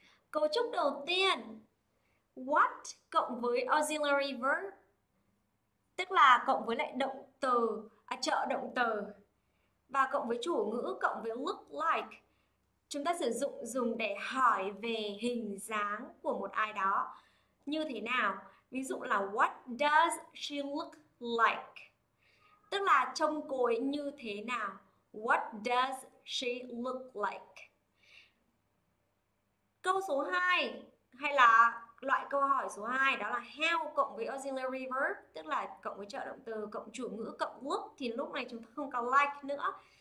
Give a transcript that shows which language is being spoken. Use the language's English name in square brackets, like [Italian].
[Vietnamese] Cấu trúc đầu tiên. What cộng với auxiliary verb? Tức là cộng với lại động từ, trợ động từ và cộng với chủ ngữ cộng với look like. Chúng ta sử dụng dùng để hỏi về hình dáng của một ai đó như thế nào. Ví dụ là [English] what does she look like? [Vietnamese] Tức là trông cô ấy như thế nào? [English] What does she look like? [Vietnamese] Câu số 2 hay là loại câu hỏi số 2 đó là how cộng với auxiliary verb, tức là cộng với trợ động từ cộng chủ ngữ cộng look, thì lúc này chúng ta không có like nữa.